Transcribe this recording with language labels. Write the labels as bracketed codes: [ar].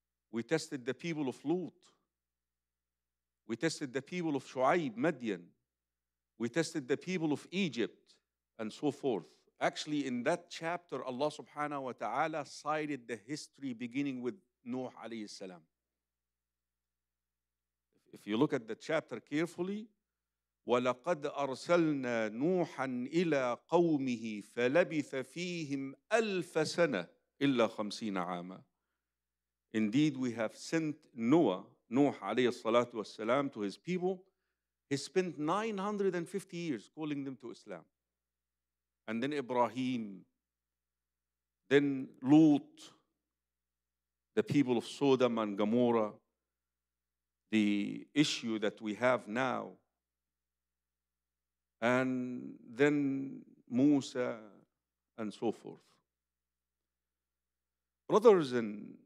[en] We tested the people of Lut. We tested the people of Shu'aib, Madian. We tested the people of Egypt, and so forth. Actually, in that chapter, Allah subhanahu wa ta'ala cited the history beginning with Nuh alayhi salam. If you look at the chapter carefully, [ar] وَلَقَدْ أَرْسَلْنَا نُوحًا إِلَىٰ قَوْمِهِ فَلَبِثَ فِيهِمْ أَلْفَ سَنَةٍ إِلَّا خَمْسِينَ عَامًا. [en] Indeed, we have sent Noah, Nuh alayhi salatu wasalam, to his people. He spent 950 years calling them to Islam. And then Ibrahim, then Lut, the people of Sodom and Gomorrah, the issue that we have now, and then Musa, and so forth. Brothers and